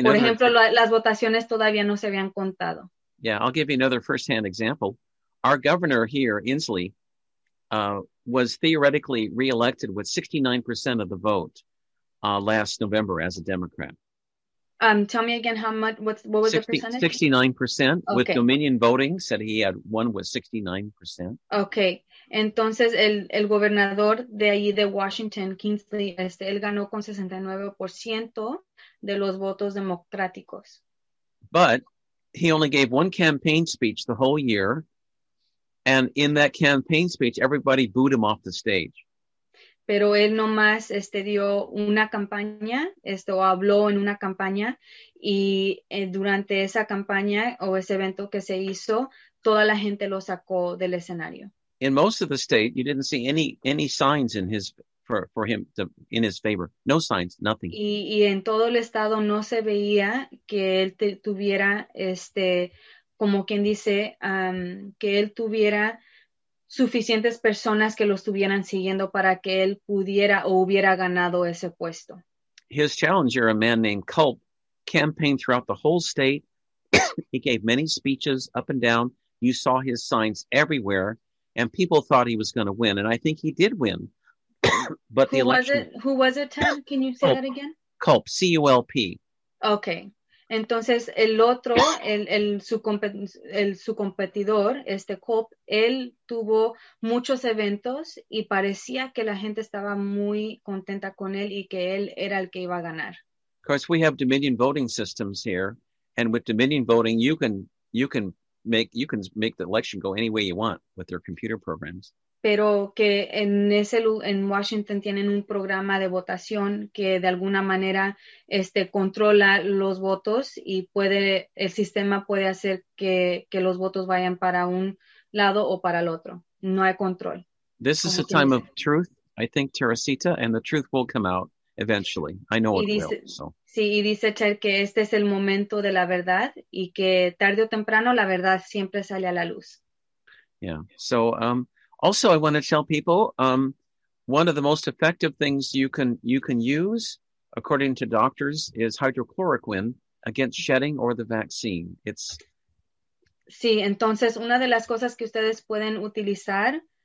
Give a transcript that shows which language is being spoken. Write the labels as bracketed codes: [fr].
[en] another. [es] Por ejemplo, las votaciones todavía no se habían contado. [en] Yeah, I'll give you another first-hand example. Our governor here, Inslee, was theoretically reelected with 69% of the vote last November as a Democrat. Tell me again what was the percentage? 69%. Okay. With Dominion voting, said he had won with 69%. Okay. [es] Entonces, el gobernador de allí de Washington, Kingsley, él ganó con 69% de los votos democráticos. [en] But he only gave one campaign speech the whole year. And in that campaign speech, everybody booed him off the stage. [es] Pero él nomás dio una campaña, habló en una campaña, y durante esa campaña o ese evento que se hizo, toda la gente lo sacó del escenario. [en] In most of the state, you didn't see any signs in his for him to, in his favor. No signs, nothing. [es] Y en todo el estado no se veía que él tuviera como quien dice, que él tuviera suficientes personas que lo estuvieran siguiendo para que él pudiera o hubiera ganado ese puesto. [en] His challenger, a man named Culp, campaigned throughout the whole state. He gave many speeches up and down. You saw his signs everywhere, and people thought he was going to win, and I think he did win. But who the election. Who was it, Tom? Can you say that again? Culp, C-U-L-P. Okay. [es] Entonces, el otro, su competidor, Culp, él tuvo muchos eventos y parecía que la gente estaba muy contenta con él y que él era el que iba a ganar. [en] Of course, we have Dominion voting systems here, and with Dominion voting, you can make the election go any way you want with their computer programs. [es] Pero que en Washington tienen un programa de votación que de alguna manera controla los votos y el sistema puede hacer que los votos vayan para un lado o para el otro. No hay control. [en] This is a time of truth, I think, Teresita, and the truth will come out eventually. I know it will. So. [es] Sí, y dice Ter que este es el momento de la verdad y que tarde o temprano la verdad siempre sale a la luz. [en] Yeah, so... Also, I want to tell people one of the most effective things you can use, according to doctors, is hydrochloroquine against shedding or the vaccine. It's [es] sí. Entonces, una de las cosas que ustedes pueden utilizar.